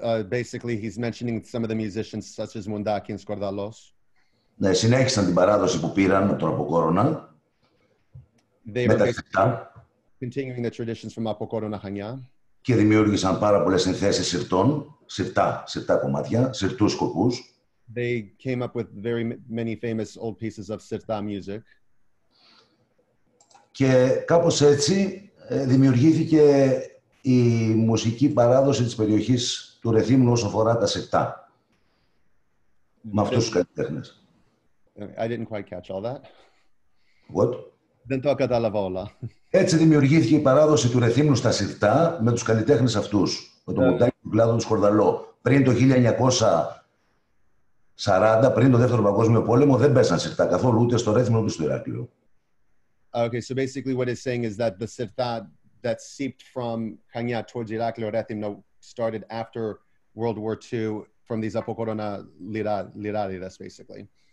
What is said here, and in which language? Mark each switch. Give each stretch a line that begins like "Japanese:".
English: Basically, he's mentioning some of the musicians such as Mundaki and Skordalos.
Greek: Ναι, συνέχισαν την παράδοση που πήραν από τον Αποκόρωνα.
English: They were continuing the traditions from Apokorona Chania.
Greek: Και δημιούργησαν πάρα πολλές συνθέσεις συρτών, συρτά κομμάτια, συρτούς σκοπούς.
English: They came up with very many famous old pieces of συρτά music.
Greek: Και κάπως έτσι δημιουργήθηκε η μουσική παράδοση της περιοχής του Ρεθύμνου όσο αφορά τα σεκτά. Με αυτούς τους καλλιτέχνες.
English: I didn't quite catch all that. What?
Greek: Δεν το κατάλαβα όλα. Έτσι δημιουργήθηκε η παράδοση του Ρεθύμνου στα σεκτά με τους καλλιτέχνες αυτούς. Με τον Μουντάκη του κλάδου του Σκορδαλό. Πριν το 1940, πριν το Δεύτερο Παγκόσμιο Πόλεμο, δεν πέσαν σεκτά καθόλου, ούτε στο Ρέθυμνο ούτε στο Ηράκλειο.
English: Okay, so basically what it's saying is that the σεκτά that seeped from Chania towards Ηράκλειο Ρέθυμνο started after World War II from these Apokorona liradides, basically.